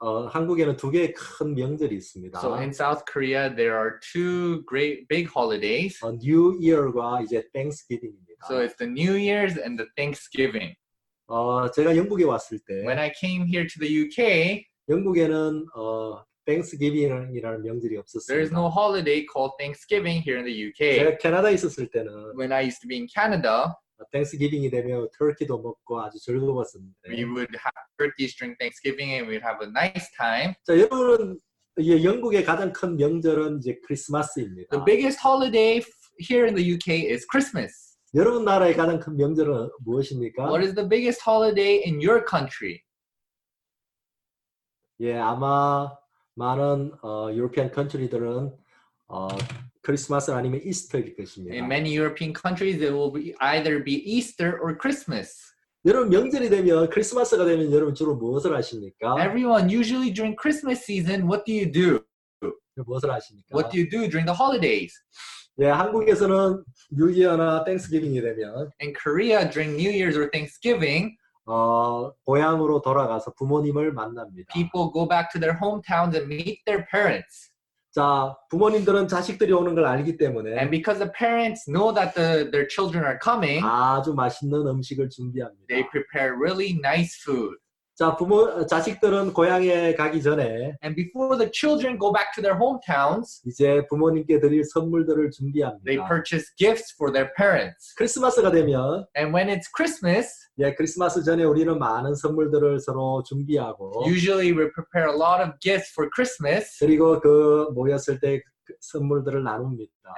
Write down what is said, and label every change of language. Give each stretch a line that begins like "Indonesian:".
Korean: 한국에는 두 개의 큰 명절이 있습니다.
English: So in South Korea, there are two great big holidays.
Korean: New Year과 이제 Thanksgiving입니다.
English: So it's the New Year's and the Thanksgiving.
Korean: 제가 영국에 왔을 때,
English: When I came here to the UK,
Korean: 영국에는 Thanksgiving이라는 명절이
English: there is no
Korean: 없었습니다.
English: holiday called Thanksgiving here in the UK.
Korean: 제가 캐나다에 있었을 때는
English: When I used to be in Canada,
Korean: Thanksgiving이 되면 터키도 먹고 아주
English: we
Korean: 즐거웠었는데.
English: would have turkeys during Thanksgiving and we'd have a nice time.
Korean: 자, 여러분, 영국의 가장 큰 명절은 이제
English: The
Korean: 크리스마스입니다.
English: biggest holiday here in the UK is Christmas.
Korean: 여러분 나라의 가장 큰 명절은 무엇입니까?
English: What is the biggest holiday in your country?
Korean: 예, 아마 많은
English: European country
Korean: 들은 크리스마스 아니면 이스터일
English: In
Korean: 것입니다.
English: many European countries, it will be either be Easter or Christmas.
Korean: 여러분 명절이 되면 크리스마스가 되면 여러분 주로 무엇을 하십니까?
English: Everyone, usually during Christmas season, what do you do?
Korean: 무엇을
English: What do
Korean: 하십니까?
English: you do during the holidays?
Korean: 예, 한국에서는 뉴이어나 땡스기빙이 되면
English: In Korea, during New Year's or Thanksgiving,
Korean: 고향으로 돌아가서 부모님을 만납니다.
English: people go back to their hometowns and meet their parents.
Korean: 자, 부모님들은 자식들이 오는 걸 알기
English: And because the parents know that their children are coming,
Korean: 아주 맛있는 음식을
English: they
Korean: 준비합니다.
English: prepare really nice food.
Korean: 자, 자식들은 고향에 가기 전에
English: And before the children go back to their hometowns,
Korean: 이제 부모님께 드릴 선물들을
English: they
Korean: 준비합니다.
English: purchase gifts for their parents.
Korean: 크리스마스가 되면
English: And when it's Christmas,
Korean: 예, 크리스마스 전에 우리는 많은 선물들을 서로 준비하고
English: usually we prepare a lot of gifts for Christmas.
Korean: 그리고 그 모였을 때 선물들을 나눕니다.